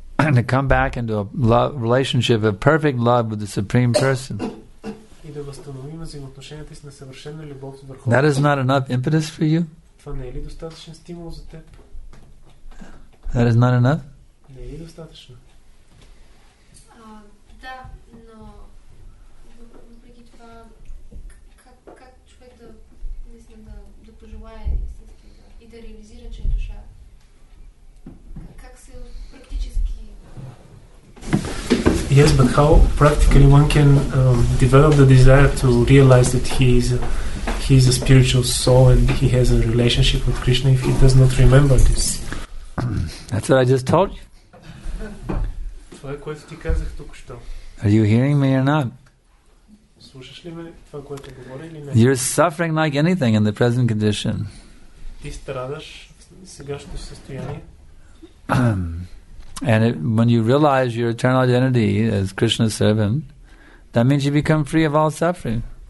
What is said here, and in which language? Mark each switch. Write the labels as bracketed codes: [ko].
[en] And to come back into a love relationship of perfect love with the supreme person. [bg] И да възстановим взаимоотношенията си на съвършена любов с Върховния. [en] That is not enough impetus for you? [bg] Това не е ли достатъчен стимул за теб? [en] That is not enough? [bg] Не е ли достатъчно? Да, но въпреки това как човек да мисля да пожелае и да реализира, че е душа? Как се практически... [en] Yes, but how practically one can develop the desire to realize that he is a spiritual soul and he has a relationship with Krishna if he does not remember this? That's what I just told you. [bg] Това е което ти казах току-що. [en] Are you hearing me or not? [bg] Слушаш ли ме това, което говори или не? [en] You're suffering like anything in the present condition. [bg] Ти страдаш сегашното състояние. [en] And it, when you realize your eternal identity as Krishna's servant, that means you become free of all suffering.